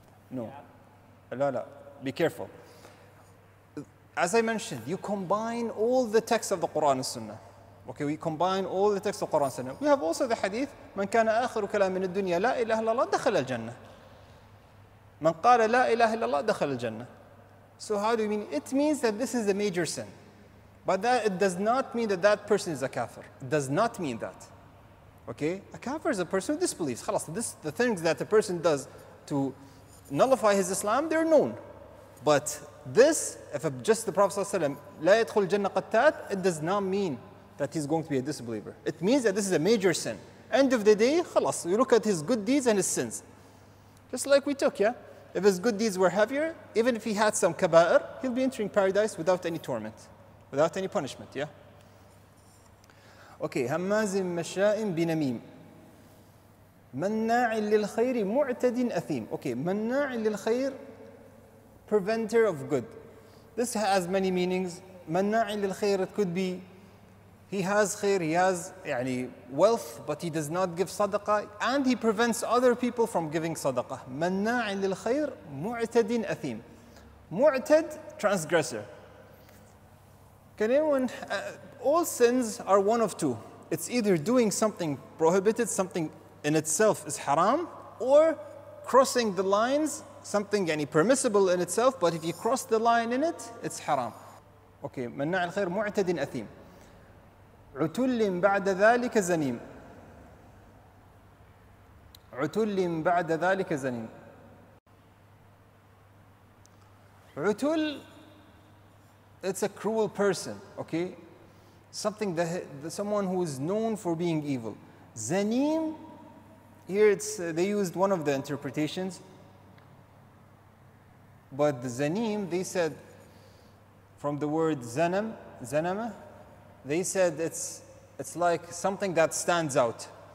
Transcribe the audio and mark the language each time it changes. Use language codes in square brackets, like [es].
[en] No. Yeah. [ar] لا. [en] Be careful. As I mentioned, you combine all the texts of the Quran and Sunnah. Okay, we combine all the texts of Quran and Sunnah. We have also the hadith, [ar] من كان آخر كلام من الدنيا لا إله إلا الله دخل الجنة. من قال لا إله إلا الله دخل الجنة. [en] So how do you mean? It means that this is a major sin. But that it does not mean that that person is a kafir. It does not mean that. Okay? A kafir is a person who disbelieves. خلاص, this, the things that a person does to nullify his Islam, they're known. But this, if just the Prophet ﷺ, [ar] لا يدخل الجنة قتات, [en] it does not mean that he's going to be a disbeliever. It means that this is a major sin. End of the day, خلاص, you look at his good deeds and his sins. Just like we took, yeah? If his good deeds were heavier, even if he had some kaba'ir, he'll be entering paradise without any torment, without any punishment, yeah? Okay, [ar] هَمَّازٍ مَشَّاءٍ بِنَمِيمٍ مَنَّاعٍ لِلْخَيْرِ مُعْتَدٍ أَثِيمٍ Okay, مَنَّاعٍ لِلْخَيْرِ [en] preventer of good. This has many meanings. [ar] مَنَّاعٍ لِلْخَيْرِ [en] it could be he has khair, he has يعني, wealth, but he does not give sadaqah, and he prevents other people from giving sadaqah. [ar] مَنَّاعٍ لِلْخَيْرِ مُعْتَدٍ أَثِيمٍ [en] Mu'tad, transgressor. Can anyone... all sins are one of two. It's either doing something prohibited, something in itself is haram, or crossing the lines, something يعني, permissible in itself, but if you cross the line in it, it's haram. Okay, [ar] مَنَّاعٍ لِلْخَيْرِ مُعْتَدٍ أَثِيمٍ عُتُلٍ بَعْدَ ذَلِكَ زَنِيمٍ عُتُلٍ بَعْدَ ذَلِكَ زَنِيمٍ عُتُل [en] it's a cruel person, okay? Something that someone who is known for being evil. زَنِيم here it's they used one of the interpretations, but the زَنِيم they said from the word زَنَم زَنَمَ they said it's like something that stands out.